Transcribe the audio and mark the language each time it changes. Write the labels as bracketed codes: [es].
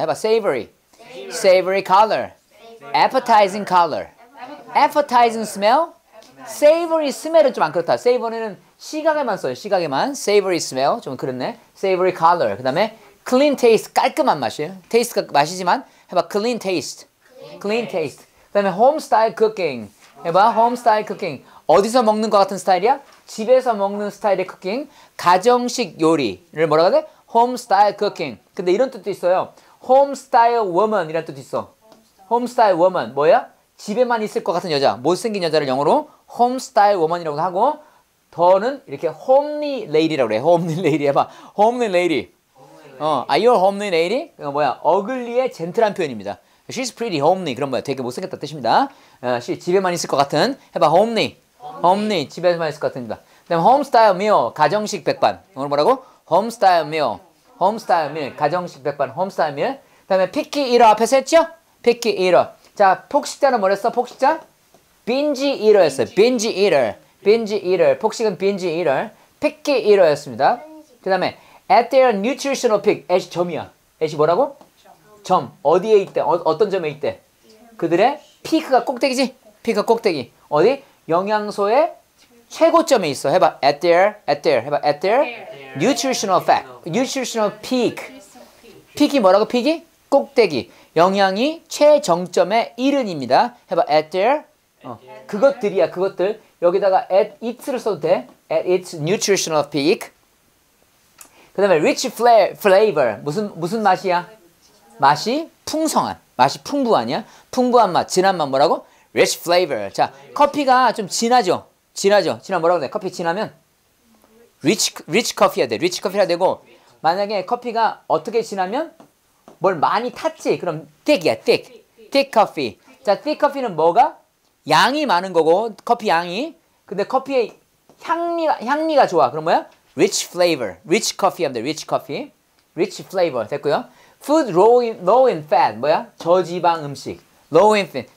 [en] 해봐. savory. savory color. appetizing color. appetizing smell. [ko] savory smell은 좀 안 그렇다. savory는 시각에만 써요. [en] 시각에만. savory smell. 좀 그렇네. savory color. [ko] 그 다음에 clean taste, 깔끔한 맛이에요. taste가 맛이지만, 해봐, clean taste. [en] clean taste. 그 다음에 home style cooking. 해봐, home style cooking. [ko] 어디서 먹는 것 같은 스타일이야? 집에서 먹는 스타일의 cooking. 가정식 요리를 뭐라고 하네? home style cooking. 근데 이런 뜻도 있어요. home style woman 이란 뜻도 있어. [en] home style woman. 뭐야? [ko] 집에만 있을 것 같은 여자. 못생긴 여자를 영어로 home style woman 이라고 하고, 더는 이렇게 homely lady라고 해. [en] homely lady. 해봐, homely lady. 어, are you a homely lady? [ko] 그 뭐야? 어글리의 젠틀한 표현입니다. [en] She's pretty homely. [ko] 그럼 뭐야? 되게 못생겼다 뜻입니다. 어, she 집에만 있을 것 같은. [en] 해봐, homely. homely. [ko] 집에만 있을 것 같습니다. [en] 그다음 home style meal. 가정식 백반. 오늘 뭐라고? home style meal. home style meal. 가정식 백반. home style meal. [ko] 그다음에 picky eater 앞에 했죠? picky eater. 자, 폭식자는 뭐랬어? 폭식자? [en] binge eater였어요. binge eater. binge eater. 폭식은 binge eater. picky eater였습니다. 그다음에 At their nutritional peak, at 점이야. [ko] at 뭐라고? 점. 어디에 있대? 어떤 점에 있대? 그들의 peak가 꼭대기지? peak가 꼭대기. 어디? 영양소의 최고점에 있어. 해봐. at their. 해봐. [en] at their nutritional fact. nutritional peak. peak이 뭐라고? peak이? 꼭대기. [ko] 영양이 최정점에 이른입니다. 해봐. at their. 어. 그것들이야. 그것들. 여기다가 at its를 써도 돼. [en] at its nutritional peak. 그 다음에 rich flavor. [ko] 무슨 맛이야? 맛이 풍성한. 맛이 풍부하냐? 풍부한 맛. 진한 맛 뭐라고? rich flavor. 자, 커피가 좀 진하죠? 진하죠? 진하면 뭐라고 돼? 커피 진하면? rich coffee야 돼. rich coffee라 되고. 만약에 커피가 어떻게 진하면? 뭘 많이 탔지? [en] 그럼 thick이야, thick. thick coffee. 자, thick coffee는 뭐가? [ko] 양이 많은 거고, 커피 양이. 근데 커피의 향미가 좋아. 그럼 뭐야? [en] rich flavor, rich coffee 하면 돼, rich coffee, rich flavor 됐고요. food low in fat, 뭐야? 저지방 음식, low in fat.